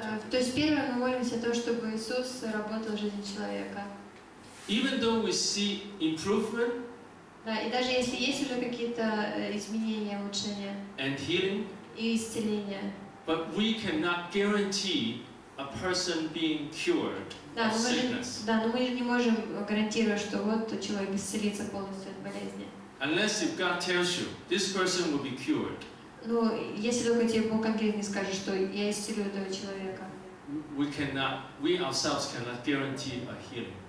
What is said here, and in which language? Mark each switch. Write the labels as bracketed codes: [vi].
[ru] То есть первое мы молимся то, чтобы Иисус работал в жизни человека. [en] Even though we see improvement. [ru] Да, и даже если есть уже какие-то изменения, улучшения. [en] And healing. [ru] И исцеление. [en] But we cannot guarantee a person being cured of sickness. [ru] Да, но мы не можем гарантировать, что вот человек исцелится полностью от болезни. [en] Unless if God tells you, this person will be cured. [ru] Ну, если только тебе Бог конкретно скажет, что я исцелю этого человека. [en] We cannot, we ourselves cannot guarantee a healing.